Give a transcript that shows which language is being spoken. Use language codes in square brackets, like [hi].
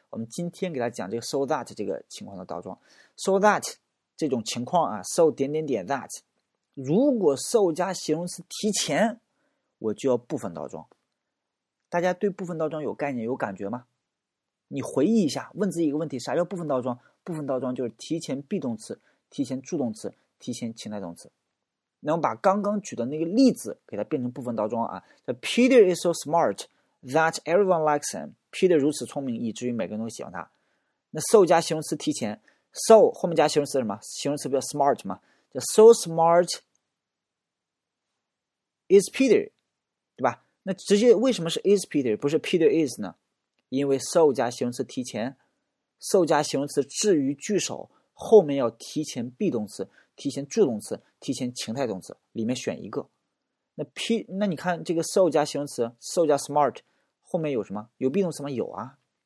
[zh] 我们今天给大家讲这个 so that 这个情况的倒装。so that 这种情况啊 ，so 点点点 that， 如果 so 加形容词提前，我就要部分倒装。大家对部分倒装有概念、有感觉吗？你回忆一下，问自己一个问题：啥叫部分倒装？部分倒装就是提前 be 动词、提前助动词、提前情态动词。那我把刚刚举的那个例子给它变成部分倒装啊。 [en] Peter is so smart that everyone likes him. [zh] Peter 如此聪明，以至于每个人都喜欢他。那 so 加形容词提前 ，so 后面加形容词什么？形容词不叫 smart 吗？叫 [en] so smart is Peter， [zh] 对吧？那直接为什么是 is Peter 不是 Peter is 呢？因为 so 加形容词提前 ，so 加形容词置于句首，后面要提前 be 动词。提前助动词、提前情态动词里面选一个。那你看这个 so 加形容词 ，so 加 smart， 后面有什么？有 be 动词吗？有啊。